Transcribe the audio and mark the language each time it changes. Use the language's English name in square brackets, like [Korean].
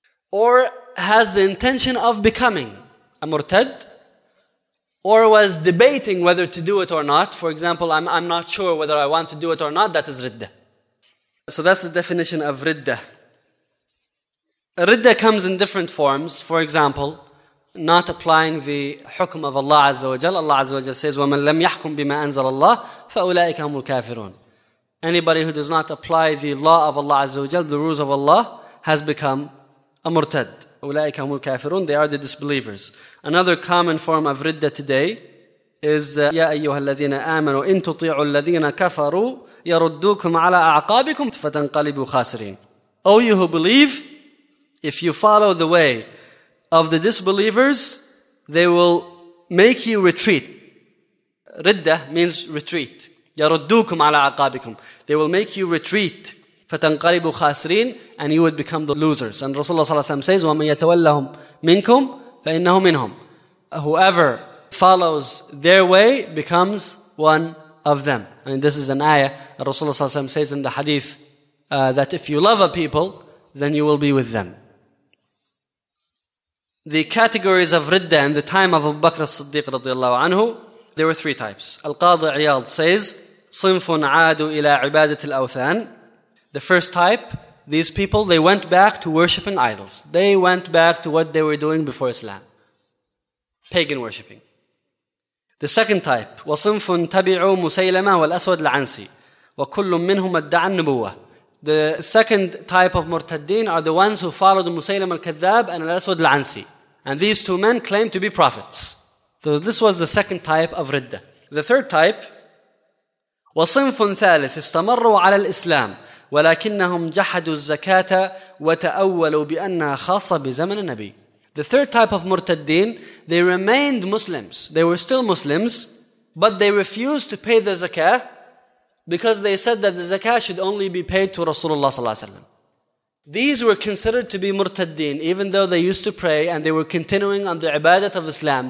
[English] Or has the intention of becoming a murtad, or was debating whether to do it or not. For example, I'm not sure whether I want to do it or not, that is ridda. So that's the definition of ridda. Ridda comes in different forms. For example, not applying the hukm of Allah Azza wa Jal. Allah Azza wa Jal says, [Arabic] وَمَنْ لَمْ يَحْكُمْ بِمَا أَنزَلَ اللَّهِ فَأُولَٰئِكَ هُمُ الْكَافِرُونَ. [English] Anybody who does not apply the law of Allah Azza wa Jal, the rules of Allah, has become a murtad. [Arabic] أُولَٰئِكَ هُمُ الْكَافِرُونَ. [English] They are the disbelievers. Another common form of ridda today is [Arabic] يَا أَيُّهَا الَّذِينَ آمَنُوا إِن تُطِيعُوا الَّذِينَ كَفَرُوا يَرُدُّوكُمْ عَلَىٰ أَعْقَابِكُمْ فَتَنْقَلِبُوا خَاسِرِينَ. [English] Oh, you who believe, if you follow the way of the disbelievers, they will make you retreat. Ridda means retreat. [Arabic] يَرُدُّوكُمْ عَلَىٰ عَقَابِكُمْ. [English] They will make you retreat. [Arabic] فَتَنْقَلِبُوا خَاسِرِينَ, [English] and you would become the losers. And Rasulullah [Arabic] صلى الله عليه وسلم [English] says, [Arabic] وَمَنْ يَتَوَلَّهُمْ مِنْكُمْ فَإِنَّهُ مِنْهُمْ. [English] Whoever follows their way becomes one of them. I mean, this is an ayah that Rasulullah [Arabic] صلى الله عليه وسلم [English] says in the hadith that if you love a people, then you will be with them. The categories of ridda in the time of Abu Bakr as-Siddiq radiyallahu anhu, there were three types. Al-Qadi Iyad says, [Arabic] صِنْفٌ عَادُوا إِلَىٰ عِبَادَةِ الْأَوْثَانِ. [English] The first type, these people, they went back to worshipping idols. They went back to what they were doing before Islam. Pagan worshipping. The second type, [Arabic] وصنف تبع مسيلمة والأسود العنسي وكل منهم ادعى النبوة. [English] The second type of مرتدين are the ones who followed مسيلمة الكذاب and الأسود العنسي. And these two men claim to be prophets. So this was the second type of ridda. The third type, [Arabic] وصنف ثالث استمروا على الإسلام ولكنهم جحدوا الزكاة وتأولوا بأنها خاصة بزمن النبي. [English] The third type of murtaddin, they remained Muslims. They were still Muslims, but they refused to pay the zakah because they said that the zakah should only be paid to Rasulullah sallallahu alaihi wasallam. These were considered to be murtaddin, even though they used to pray and they were continuing on the ibadat of Islam.